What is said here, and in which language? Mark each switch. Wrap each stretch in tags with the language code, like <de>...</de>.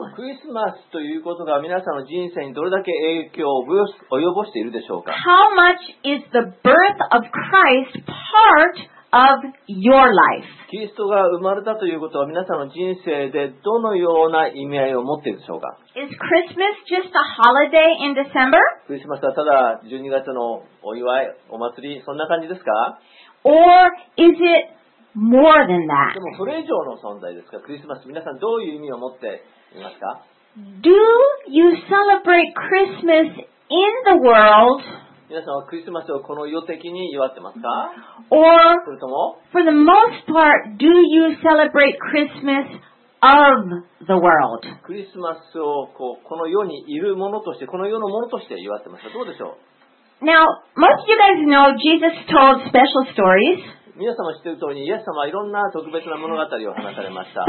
<ja>クリスマスということが皆さんの人生にどれだけ影響を及ぼしているでしょうか?</ja> <en>How much is the birth of Christ part of your life?</en> <ja>キリストが生まれたということは皆さんの人生でどのような意味合いを持っているでしょうか?</ja> <en>Is Christmas just a holiday in December?</en> <ja>クリスマスはただ12月のお祝い、お祭り、そんな感じですか?</ja> <en>Or is itMore than that.</en> <ja>でもそれ以上の存在ですか?クリスマス、皆さんどういう意味を持っていますか?</ja> <en>Do you celebrate Christmas in the world?</en> <ja>皆さんはクリスマスをこの世的に祝ってますか?</ja> <en>Or,</en> <ja>それとも?</ja> <en>For the most part, do you celebrate Christmas of the world?</en> <ja>クリスマスをこの世にいるものとして、この世のものとして祝ってますか?どうでしょう?</ja> <en>Now, most of you guys know Jesus told special stories.</en> <ja>皆様知っている通り、イエス様はいろんな特別な物語を話されました。</ja>